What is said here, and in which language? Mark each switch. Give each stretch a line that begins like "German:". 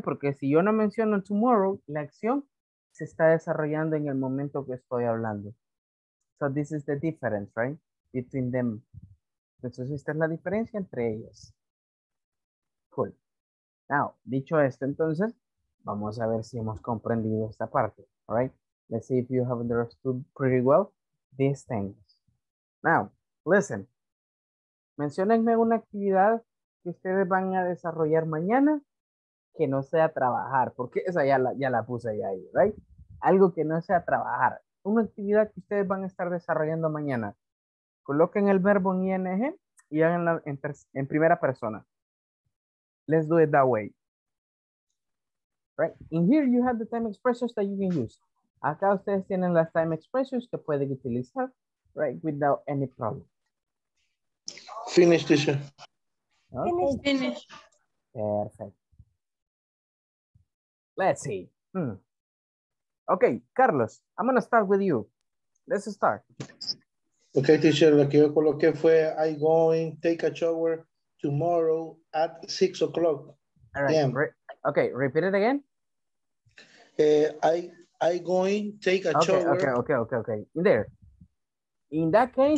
Spanish: Porque si yo no menciono tomorrow, la acción se está desarrollando en el momento que estoy hablando.
English: So this is the difference, right? Between them.
Spanish: Entonces esta es la diferencia entre ellos.
English: Cool.
Spanish: Now, dicho esto entonces, vamos a ver si hemos comprendido esta parte.
English: All right? Let's see if you have understood pretty well these things. Now, listen.
Spanish: Menciónenme una actividad que ustedes van a desarrollar mañana que no sea trabajar, porque esa ya la puse ya ahí, right? Algo que no sea trabajar. Una actividad que ustedes van a estar desarrollando mañana. Coloquen el verbo en ing y háganla en primera persona.
English: Let's do it that way.
Spanish: Right?
English: In here you have the time expressions that you can use.
Spanish: Acá ustedes tienen las time expressions que pueden utilizar, right,
English: without any problem. Finish, teacher. Okay. Finish. Perfect. Let's see. Okay, Carlos, I'm going to start with you. Let's start. Okay, teacher,
Spanish: lo que yo coloqué fue
English: I going take a shower tomorrow at 6 o'clock. All right. Okay, repeat it again. I going take a shower. Okay. In there. In that case,